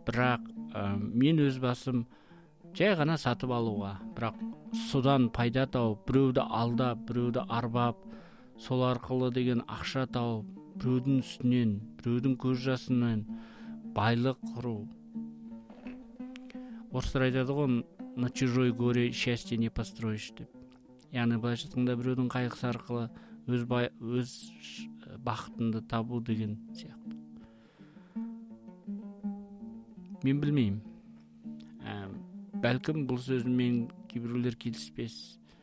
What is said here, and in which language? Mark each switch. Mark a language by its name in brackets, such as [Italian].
[Kazakh] Бірақ мен өз басым жай ғана сатып алуға, бірақ содан пайда тауып, біреуді алдап, біреуді арбап, сол арқылы деген ақша тауып, біреудің үстінен, біреудің көз жасынан байлық құру. Орыстар айтады ғой, [Russian] на чужой горе счастье не построишь [Kazakh] деп. Яғни былайша айтқанда біреудің қайғысы арқылы өз бақытыңды табу деген сияқты. Мен білмеймін. Бәлкім бұл сөзіммен кейбіреулер келіспес.